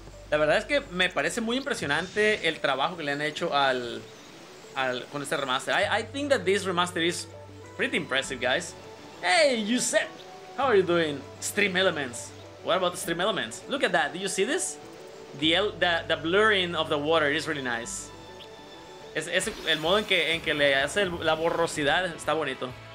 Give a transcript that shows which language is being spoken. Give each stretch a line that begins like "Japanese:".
Spanish: La verdad es que me parece muy impresionante el trabajo que le han hecho al con este remaster.
English: I think that this remaster is pretty impressive, guys. Hey, Yusef! How are you doing? StreamElements. What about the StreamElements? Look at that. Do you see this? The blurring of the water is really nice.
Spanish: Es el modo en que le hace la borrosidad está bonito.